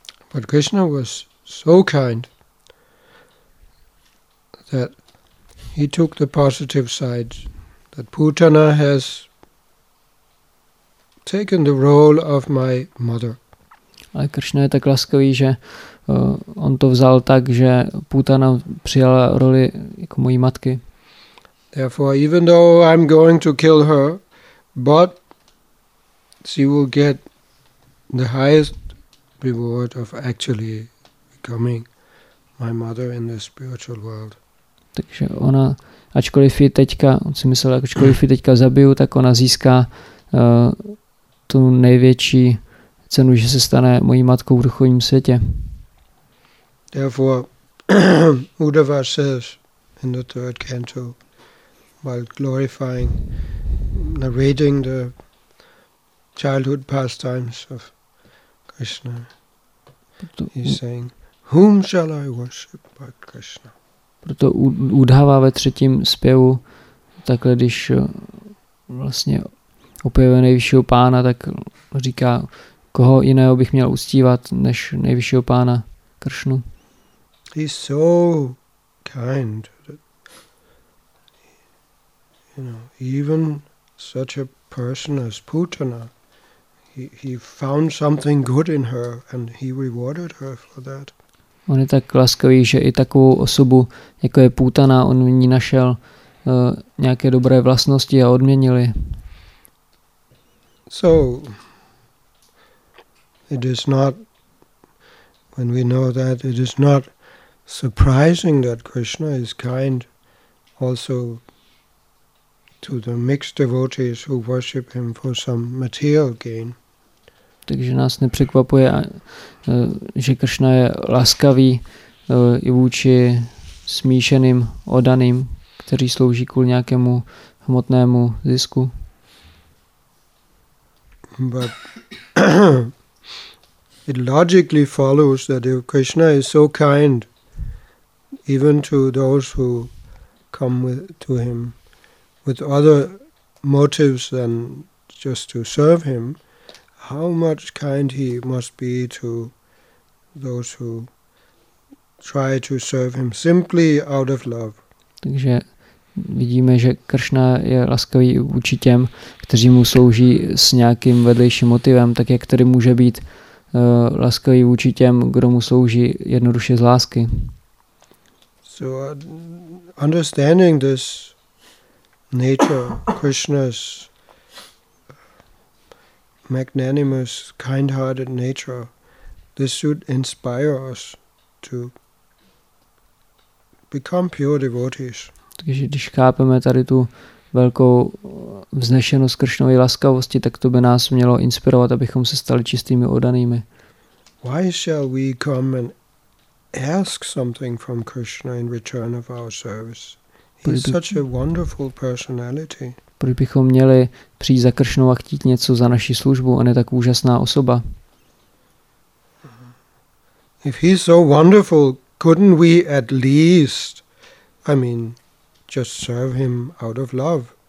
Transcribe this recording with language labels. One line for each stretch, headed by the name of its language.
English: But Krishna was so kind that he took the positive side that Putana has taken the role of my mother.
Czech: Ale Krishna je tak laskavý, že on to vzal tak, že Putana přijala roli jako mojí matky.
English: Therefore, even though I'm going to kill her, but she will get the highest reward of actually becoming my mother in this spiritual world.
Czech: Takže ona, ačkoliv ji teďka, on si myslel, ačkoliv ji teďka zabiju, tak ona získá tu největší cenu, že se stane mojí matkou v duchovním světě.
English: Therefore, Uddhava says in the third canto, while glorifying, narrating the childhood pastimes of Krishna, he's saying, whom shall I worship but Krishna?
Czech: Proto Uddhava ve třetím zpěvu, takhle když vlastně opěvuje nejvyššího pána, tak říká, koho jiného bych měl uctívat než nejvyššího pána Kršnu.
English: He's so kind that, you know, even such a person as Putana, he found something good in her and he rewarded her for that.
Czech: On je tak laskavý, že i takovou osobu, jako je Putana, on v ní našel nějaké dobré vlastnosti a odměnil je.
English: So it is not, when we know that, it is not surprising that Krishna is kind also to the mixed devotees who worship him for some material gain.
Czech: Takže nás nepřekvapuje, že Krishna je laskavý i vůči smíšeným oddaným, kteří slouží kvůli nějakému hmotnému zisku.
English: But it logically follows that if Krishna is so kind even to those who come with, to him with other motives than just to serve him, how much kind he must be to those who try to serve him simply out of love.
Czech: Takže vidíme, že Krishna je laskavý vůči těm, kteří mu slouží s nějakým vedlejším motivem, tak jak tady může být laskavý vůči těm, kdo mu slouží jednoduše z lásky.
English: So understanding this nature, Krishna's magnanimous, kind-hearted nature, this should inspire us to become pure devotees.
Czech: Takže když chápeme tady tu velkou vznešenost Krishnovy laskavosti, tak to by nás mělo inspirovat, abychom se stali čistými oddanými.
English: Why shall we come and ask something from Krishna in return of our service? He's such a wonderful personality.
Czech: Proč bychom měli přijít za Krishnou a chtít něco za naši službu? On je tak úžasná osoba.
English: If he's so wonderful, couldn't we at least, I mean, just serve him out of love?